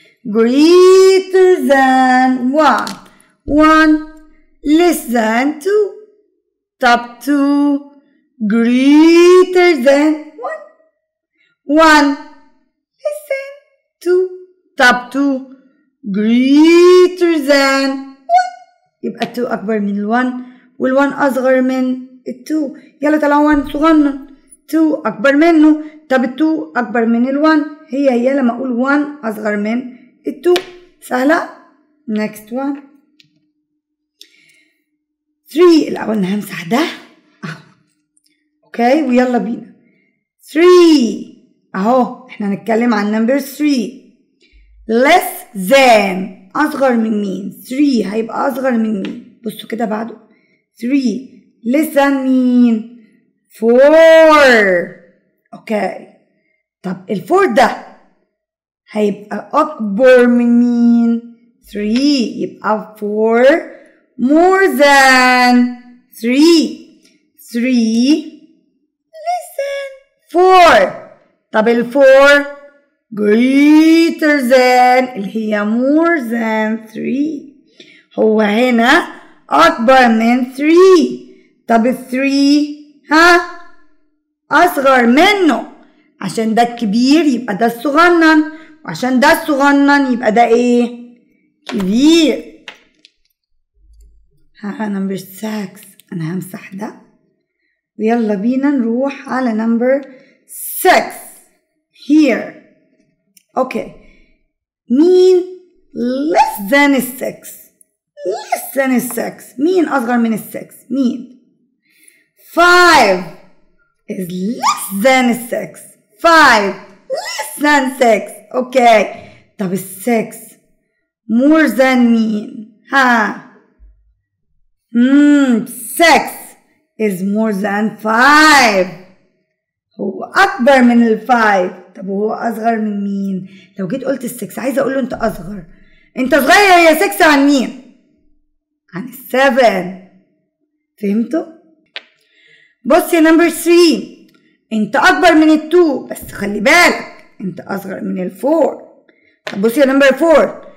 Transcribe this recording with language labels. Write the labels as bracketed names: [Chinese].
[English] greater than one. One less than two. Top two greater than one. One less than two. Top two greater than one. [Arabic] يبقى two أكبر من one والone أصغر من two. يلا تلا one صغنن. Two أكبر منه. طب two أكبر من one. هي لما أقول one أصغر من two. سهلة. [English] Next one. [Arabic] Three الأول نهمسح ده. Okay ويلا بينا. Three أهو إحنا نتكلم عن number three. [English] Less than [Arabic] أصغر من مين؟ Three هيبقى أصغر من مين؟ بصوا كده بعده. [English] Three less than mean four. Okay. [Arabic] طب الفور ده هيبقى أكبر من مين؟ Three يبقى four. [English] More than three. Three less than four. [Arabic] طب الفور [English] greater than [Arabic] اللي هي [English] more than three. [Arabic] هو هنا أكبر من three. طب three ها أصغر منه. عشان ده الكبير يبقى ده الصغنن. وعشان ده الصغنن يبقى ده ايه؟ كبير. ها نمبر 6 انا همسح ده ويلا بينا نروح على نمبر 6 here. اوكي مين [English] less than 6 less than 6 [Arabic] مين اصغر من 6 مين [English] 5 is less than 6 5 less than 6 [Arabic] اوكي طب [English] 6 more than mean ها six is more than five. [Arabic] هو أكبر من الفايف. طب هو أصغر من مين؟ لو جيت قلت six عايز أقوله أنت أصغر. أنت صغير يا six عن مين؟ عن seven. فهمتوا؟ بص يا [English] number three. [Arabic] أنت أكبر من two بس خلي بالك. أنت أصغر من four. طب بص يا number four.